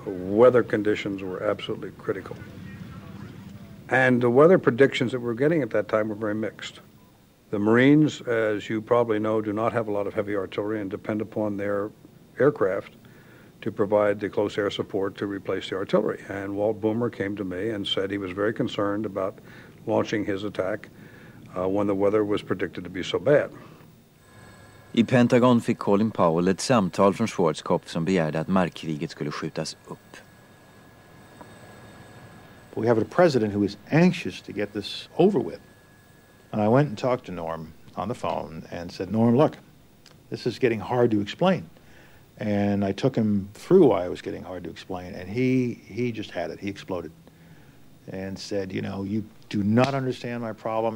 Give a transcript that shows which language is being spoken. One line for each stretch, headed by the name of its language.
English: Weather conditions were absolutely critical. And the weather predictions that we were getting at that time were very mixed. The Marines, as you probably know, do not have a lot of heavy artillery and depend upon their aircraft to provide the close air support to replace the artillery. And Walt Boomer came to me and said he was very concerned about launching his attack when the weather was predicted to be so bad.
Swedish: I Pentagon fick Colin Powell ett samtal från Schwarzkopf som begärde att markkriget skulle skjutas upp.
English: But we have a president who is anxious to get this over with. And I went and talked to Norm on the phone and said, Norm, look, this is getting hard to explain. And I took him through why it was getting hard to explain, and he just had it. He exploded and said, you know, you do not understand my problem.